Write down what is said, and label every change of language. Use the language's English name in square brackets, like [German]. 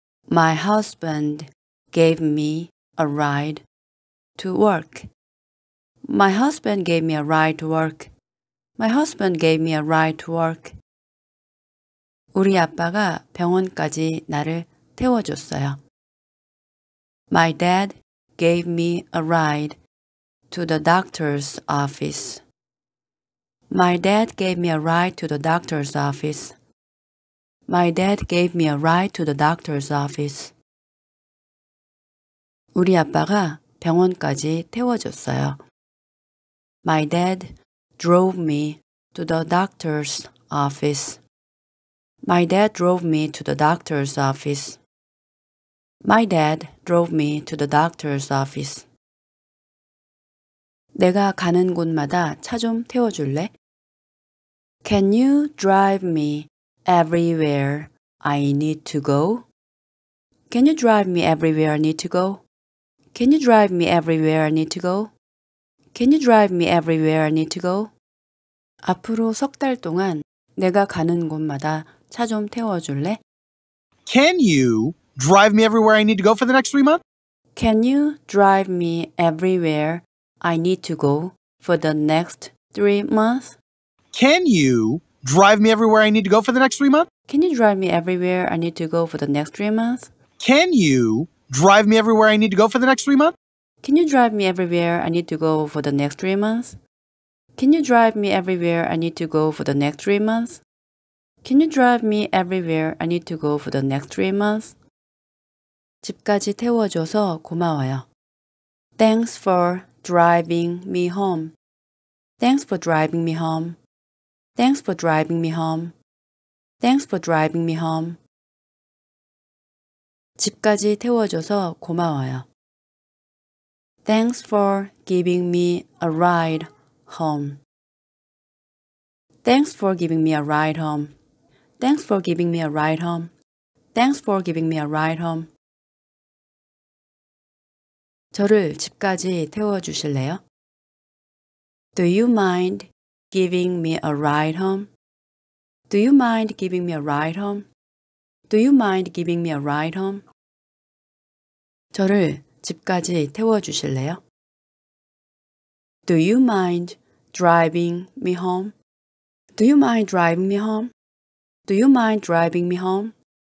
[English] My husband gave me a ride to work. My husband gave me a ride to work. My husband gave me a ride to work. [Korean] 우리 아빠가 병원까지 나를 태워줬어요. [English] My dad gave me a ride to the doctor's office. My dad gave me a ride to the doctor's office. My dad gave me a ride to the doctor's office. [Korean] 우리 아빠가 병원까지 태워줬어요. [English] My dad drove me to the doctor's office. My dad drove me to the doctor's office. My dad drove me to the doctor's office. [Korean] 내가 가는 곳마다 차 좀 태워줄래? [English] Can you drive me everywhere I need to go? Can you drive me everywhere I need to go? Can you drive me everywhere I need to go? Can you drive me everywhere I need to go? [Korean] 앞으로 석 달 동안 내가 가는 곳마다 차 좀 태워줄래? [English] Can you drive me everywhere I need to go for the next 3 months? Can you drive me everywhere I need to go for the next 3 months? Can you drive me everywhere I need to go for the next 3 months? Can you drive me everywhere I need to go for the next 3 months? Can you drive me everywhere I need to go for the next 3 months? Can you drive me everywhere I need to go for the next 3 months? Can you drive me everywhere I need to go for the next 3 months? Can you drive me everywhere I need to go for the next 3 months? [Korean] 집까지 태워줘서 고마워요. [English] Thanks for driving me home. Thanks for driving me home. Thanks for driving me home. Thanks for driving me home. [Korean] 집까지 태워줘서 고마워요. [English] Thanks for giving me a ride home. Thanks for giving me a ride home. Thanks for giving me a ride home. Thanks for giving me a ride home. [Korean] 저를 집까지 태워주실래요? [English] Do you mind giving me a ride home? Do you mind giving me a ride home? Do you mind giving me a ride home? [Korean] 저를 집까지 태워주실래요? [English] Do you mind driving me home? Do you mind driving me home? Do you mind driving me home?